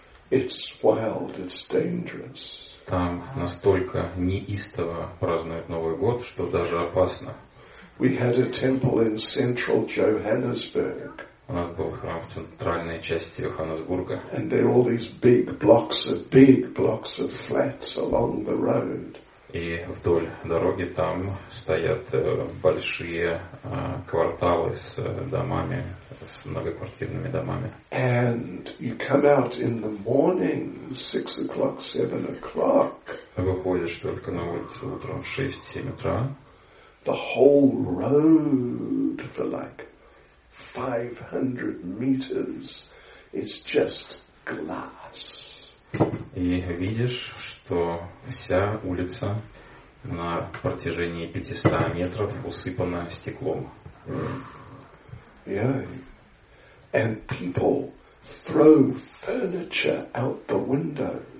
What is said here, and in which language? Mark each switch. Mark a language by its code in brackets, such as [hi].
[en] It's wild, it's dangerous. [ru] Там настолько неистово празднуют Новый год, что даже опасно. [en] We had a temple in central Johannesburg. [ru] У нас был храм в центральной части Йоханнесбурга. [en] And there are all these big blocks of flats along the road. [ru] И вдоль дороги там стоят большие кварталы с домами, с многоквартирными домами. [en] And you come out in the morning, 6 o'clock, 7 o'clock. [ru] Выходишь только на улицу утром в 6-7 утра. [en] The whole road for like 500 meters, it's just glass. [ru] И видишь, что вся улица на протяжении 500 метров усыпана стеклом. [en] And people throw furniture out the window.